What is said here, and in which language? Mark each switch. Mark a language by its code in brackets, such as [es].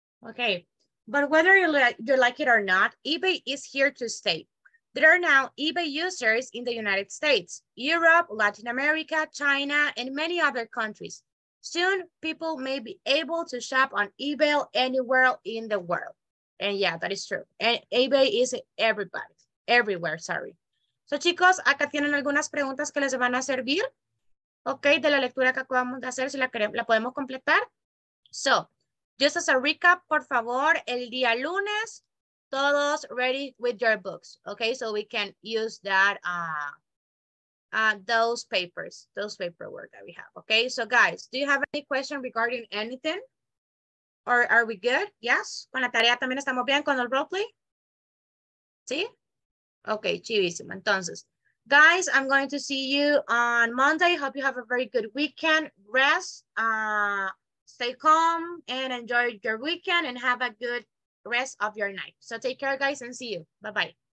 [en] Okay, but whether you like it or not, eBay is here to stay. There are now eBay users in the United States, Europe, Latin America, China, and many other countries. Soon, people may be able to shop on eBay anywhere in the world. And yeah, that is true. And eBay is everywhere. [es] So chicos, acá tienen algunas preguntas que les van a servir. Okay, de la lectura que acabamos de hacer, si la podemos completar. [en] So, just as a recap, [es] por favor, el día lunes, todos [en] ready with your books, okay? So we can use that, those paperwork that we have, okay? So guys, do you have any question regarding anything? Or are we good? Yes? [es] Con la tarea también estamos bien, con el roleplay? ¿Sí? Okay, chivísimo. Entonces, [en] guys, I'm going to see you on Monday. Hope you have a very good weekend. Rest, stay calm, and enjoy your weekend, and have a good rest of your night. So take care, guys, and see you. Bye-bye.